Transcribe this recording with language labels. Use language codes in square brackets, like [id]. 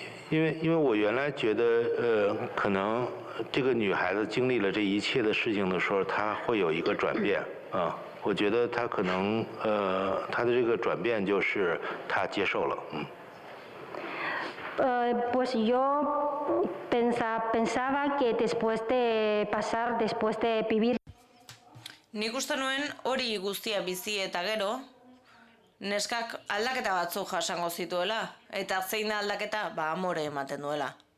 [zh] 因为我原来觉得可能这个女孩子经历了这一切的事情的时候，她会有一个转变啊。我觉得她可能她的这个转变就是她接受了。 [es] Pues yo pensaba que después de vivir [eu] Nik uste nuen hori guztia bizi eta gero, neskak aldaketa batzu jasango zituela, eta zein da aldaketa, ba, amore ematen duela.